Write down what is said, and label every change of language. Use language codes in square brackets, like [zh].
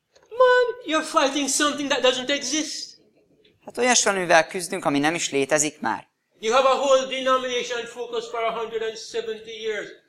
[en] Man, you're fighting something that doesn't exist. [hu] Hát olyasmivel küzdünk, ami nem is létezik már. [en] You have a whole denomination focused for 170 years.